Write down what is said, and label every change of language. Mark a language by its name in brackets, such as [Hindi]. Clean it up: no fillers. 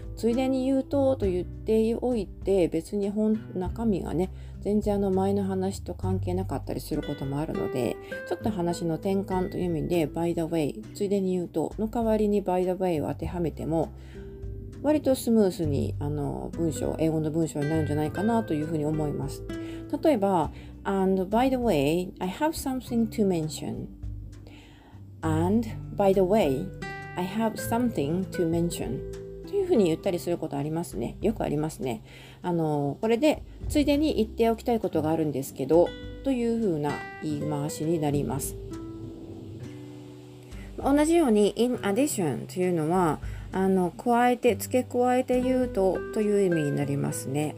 [Japanese] ついでに言うとと言っておいて、別に本中身がね、全然前の話と関係なかったりすることもあるので、ちょっと話の転換という意味で [English] by the way、 [Japanese] ついでに言うとの代わりに by the way を当てはめても、割とスムースに文章、英語の文章になるんじゃないかなというふうに思います。例えば [English] and by the way I have something to mentionAnd, by the way, I have something to mention. [Japanese] というふうに言ったりすることありますね。よくありますね。これで、ついでに言っておきたいことがあるんですけど、というふうな言い回しになります。同じように、 [English] in addition [Japanese] というのは、加えて、付け加えて言うと、という意味になりますね。